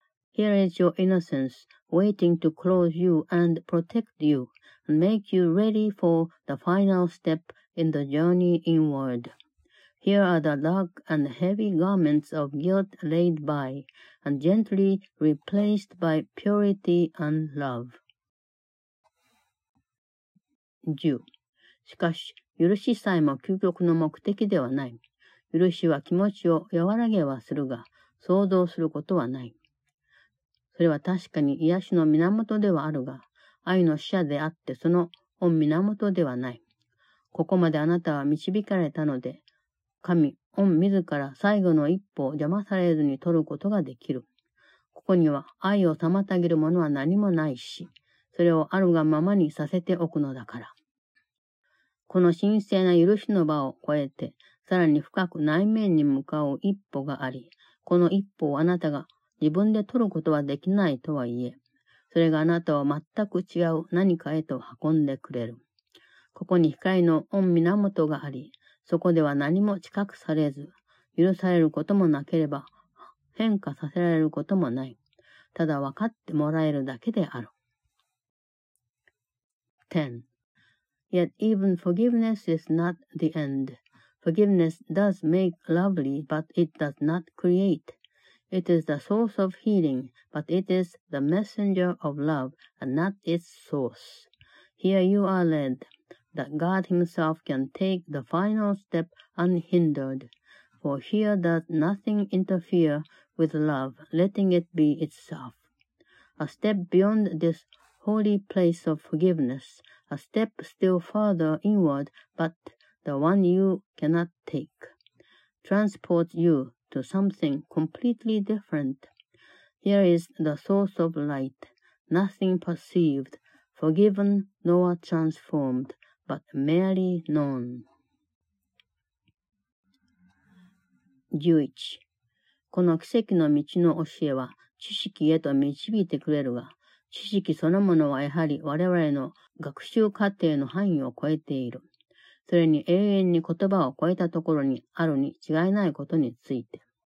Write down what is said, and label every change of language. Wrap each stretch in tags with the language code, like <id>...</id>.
<en>Here is your innocence, waiting to clothe you and protect you, and make you ready for the final step in the journey inward. Here are the dark and heavy garments of guilt laid by, and gently replaced by purity and love. Jew.</en> <ja>しかし、許しさえも究極の目的ではない。許しは気持ちを和らげはするが、想像することはない。それは確かに癒しの源ではあるが、愛の使者であってその御源ではない。ここまであなたは導かれたので、神、御自ら最後の一歩を邪魔されずに取ることができる。ここには愛を妨げるものは何もないし、それをあるがままにさせておくのだから。この神聖な許しの場を越えて、さらに深く内面に向かう一歩があり、この一歩をあなたが自分で取ることはできないとはいえ、それがあなたを全く違う何かへと運んでくれる。ここに光の御源があり、そこでは何も近くされず、許されることもなければ、変化させられることもない。ただ分かってもらえるだけである。 10.</ja> <en>Yet even forgiveness is not the end. Forgiveness does make lovely, but it does not create. It is the source of healing, but it is the messenger of love and not its source. Here you are led, that God himself can take the final step unhindered. For here does nothing interfere with love, letting it be itself. A step beyond this holy place of forgiveness, a step still farther inward, but the one you cannot take, transports you to something completely different. Here is the source of light, nothing perceived, forgiven nor transformed, but merely known. 11.</en> <ja>この奇跡の道の教えは知識へと導いてくれるが、知識そのものはやはり我々の学習過程の範囲を超えている。それに永遠に言葉を超えたところにあるに違いないことについて。</ja>